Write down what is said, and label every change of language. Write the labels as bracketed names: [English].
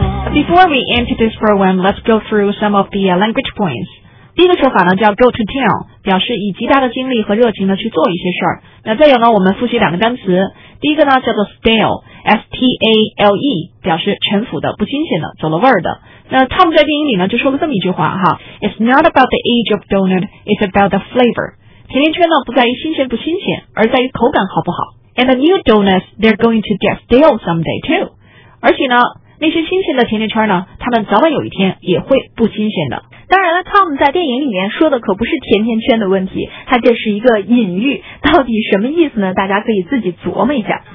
[English] Before we end this program, let's go through some of the language points. [Chinese] 第一个说法呢叫 go to town， 表示以极大的精力和热情呢去做一些事儿。那再有呢，我们复习两个单词。第一个呢叫做 stale，S-T-A-L-E， 表示陈腐的、不新鲜的、走了味儿的。那 Tom 在电影里呢就说了这么一句话哈 [English] ，It's not about the age of donut， it's about the flavor。 [Chinese] 甜甜圈呢不在于新鲜不新鲜，而在于口感好不好。 [English] And the new donuts， they're going to get stale someday too。 [Chinese] 而且呢，那些新鲜的甜甜圈呢，他们早晚有一天也会不新鲜的。当然了 ，Tom 在电影里面说的可不是甜甜圈的问题，它这是一个隐喻，到底什么意思呢？大家可以自己琢磨一下。